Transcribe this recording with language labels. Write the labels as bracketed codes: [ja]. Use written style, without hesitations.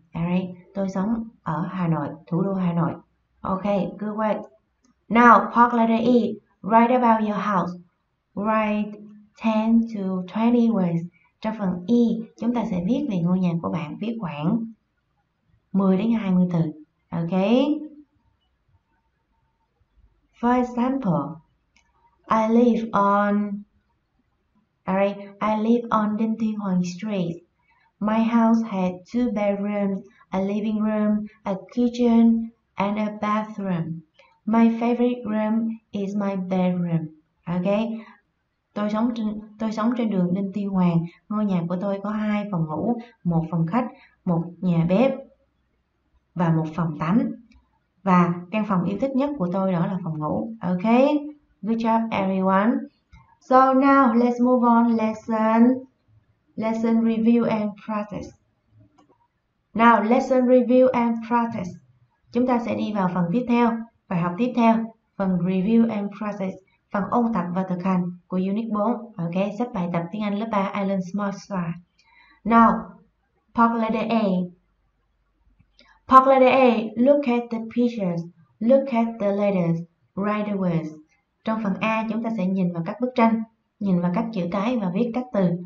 [vi] Alright, tôi sống ở Hà Nội, thủ đô Hà Nội. [en] Okay, good work. Now, park letter E, write about your house. Write 10 to 20 words. [vi] Trong phần E, chúng ta sẽ viết về ngôi nhà của bạn, viết khoảng 10 đến 20 từ. [en] Okay. For example, I live on Đinh Tiên Hoàng Street. My house had two bedrooms, a living room, a kitchen, and a bathroom. My favorite room is my bedroom. Okay. [vi] Tôi sống trên đường Đinh Tiên Hoàng. Ngôi nhà của tôi có hai phòng ngủ, một phòng khách, một nhà bếp và một phòng tắm. Và căn phòng yêu thích nhất của tôi đó là phòng ngủ. [en] Okay. Good job, everyone. So now let's move on lesson review and practice. Now lesson review and practice. [vi] Chúng ta sẽ đi vào phần tiếp theo, bài học tiếp theo, phần [en] review and practice, [vi] phần ôn tập và thực hành của Unit 4. Ok, xếp bài tập tiếng Anh lớp 3 Island Smart Star. [en] Now, park letter A. Park letter A, look at the pictures, look at the letters, write the words. [vi] Trong phần A, chúng ta sẽ nhìn vào các bức tranh, nhìn vào các chữ cái và viết các từ.